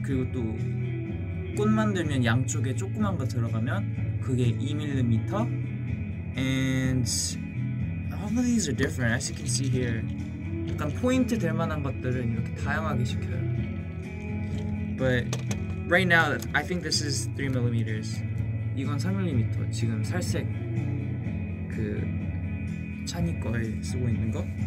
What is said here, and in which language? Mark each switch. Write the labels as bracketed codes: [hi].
[ko] 그리고 또 꽃 만들면 양쪽에 조그만 거 들어가면 그게 2mm. [en] And all of these are different, as you can see here. [ko] 약간 포인트 될 만한 것들은 이렇게 다양하게 시켜요. [en] But right now, I think this is 3mm. [ko] 이건 3mm. 지금 살색 그 찬이 걸 쓰고 있는 거.